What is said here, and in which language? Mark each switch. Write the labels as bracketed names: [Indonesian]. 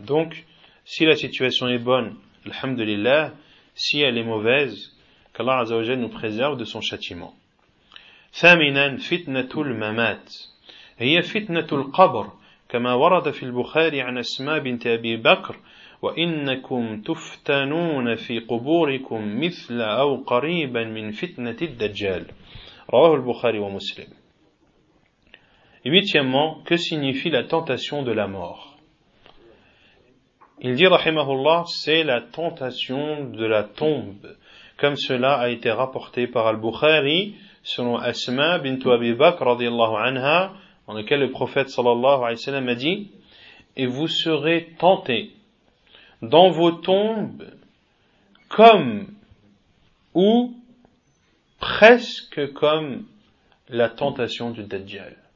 [French] Donc, si la situation est bonne, alhamdulillah, si elle est mauvaise, qu'Allah Azza wa Jalla nous préserve de son châtiment. [Arabic] Thaminan fitnatul mamat. Hiya fitnatul qabr. كما ورد في البخاري عن أسماء بنت أبي بكر وإنكم تفتنون في قبوركم مثل أو قريبا من فتنة الدجال رواه البخاري ومسلم. [French] Huitièmement, que signifie la tentation de la mort? Il dit, rahimahullah, c'est la tentation de la tombe, comme cela a été rapporté par al-Bukhari selon Asma bint Abi Bakr radiyallahu anha, dans lequel le prophète sallallahu alayhi wa sallam a dit: et vous serez tentés dans vos tombes comme ou presque comme la tentation du Dajjal.